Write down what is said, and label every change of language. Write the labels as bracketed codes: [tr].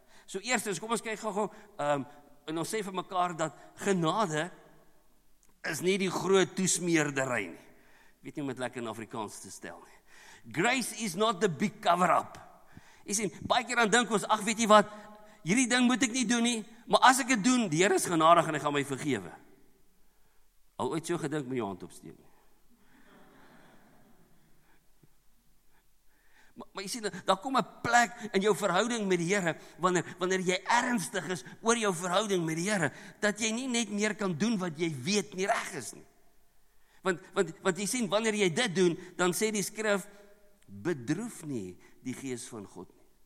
[af] So eerstens, kom ons kyk gou-gou, en ons sê vir mekaar dat genade is nie die groot toesmeerdery nie. Weet nie om dit lekker in Afrikaans te stel nie. [en] Grace is not the big cover-up. [af] Jy sien, baie keer dan dink ons, ach, weet jy wat, hierdie ding moet ek nie doen nie, maar as ek het doen, die Heer is genadig en hy gaan my vergewe. Al ooit so gedink, met jou hand opsteek. Maar jy sien, daar kom 'n plek in jou verhouding met die Here, wanneer jy ernstig is oor jou verhouding met die Here, dat jy nie net meer kan doen wat jy weet nie reg is nie. Want jy sien, wanneer jy dit doen, dan sê die skrif, bedroef nie die gees van God nie.